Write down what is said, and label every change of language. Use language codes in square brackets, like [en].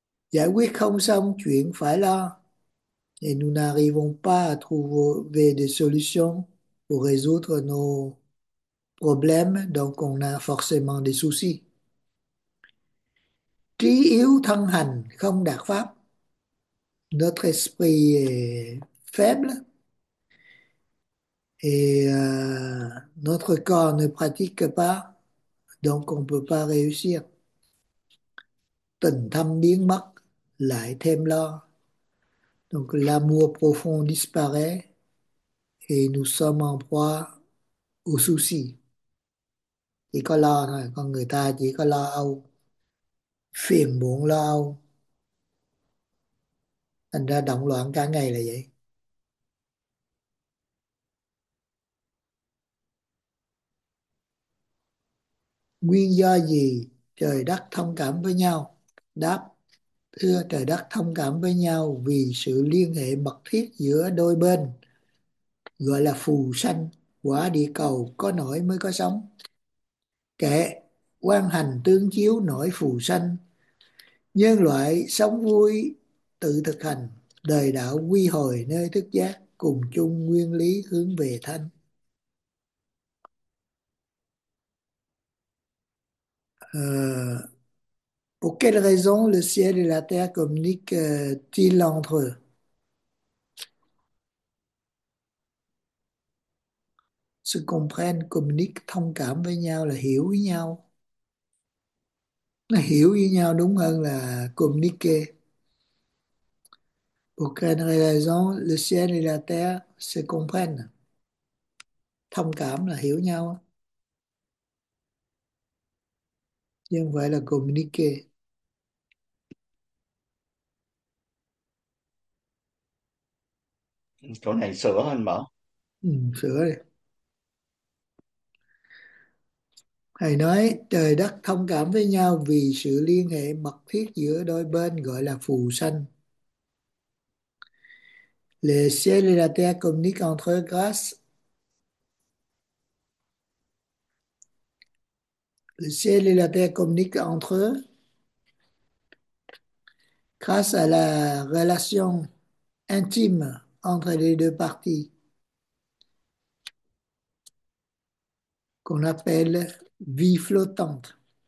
[vi] Giải quyết không xong chuyện phải lo. [fr] Et nous n'arrivons pas à trouver des solutions pour résoudre nos problèmes, donc on a forcément des soucis. [vi] Trí yếu thân hành không đạt pháp. [fr] Notre esprit est faible. Et notre corps ne pratique pas, donc on ne peut pas réussir. [vi] Tình thâm biến mất, lại thêm lo. [fr] Donc l'amour profond disparaît et nous sommes en proie au souci. [vi] Chỉ có lo thôi, con người ta chỉ có lo âu, phiền muộn lo âu. Thành ra động loạn cả ngày là vậy. Nguyên do gì trời đất thông cảm với nhau? Đáp: Thưa trời đất thông cảm với nhau vì sự liên hệ mật thiết giữa đôi bên, gọi là phù sanh, quả địa cầu có nổi mới có sống. Kệ: Quang hành tương chiếu nổi phù sanh, nhân loại sống vui tự thực hành, đời đạo quy hồi nơi thức giác, cùng chung nguyên lý hướng về thanh. [fr] Pour quelle raison le ciel et la terre communiquent-ils entre eux? Se comprennent, communiquent, [vi] thông cảm với nhau là hiểu với nhau. Nó hiểu với nhau đúng hơn là communiquer. [fr] Pour quelle raison le ciel et la terre se comprennent? [vi] Thông cảm là hiểu nhau. Nhưng vậy là communiquer. Chỗ này sửa anh bảo. Sửa đi. Thầy nói trời đất thông cảm với nhau vì sự liên hệ mật thiết giữa đôi bên gọi là phù sanh. [fr] Ciel et la terre communiquent entre grâce. Le ciel et la terre communiquent entre eux grâce à la relation intime entre les deux parties qu'on appelle vie flottante.